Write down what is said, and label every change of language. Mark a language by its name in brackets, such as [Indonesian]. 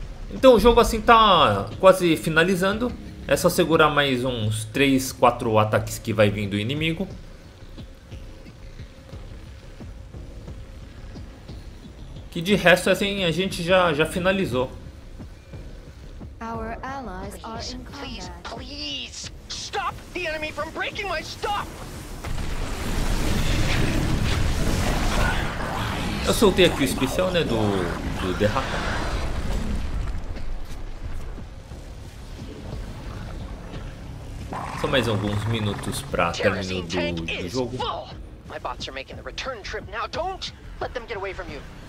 [Portuguese] Então o jogo assim tá quase finalizando. É só segurar mais uns 3, 4 ataques que vai vindo o inimigo. Que de resto assim a gente já finalizou. [English] Our allies are in combat. Please stop the enemy from breaking my stuff. [Portuguese] Eu soltei aqui o especial, né, do Derraka. Só mais alguns minutos para terminar do jogo. [English] My bots are making the return trip now. Don't let them get away from you.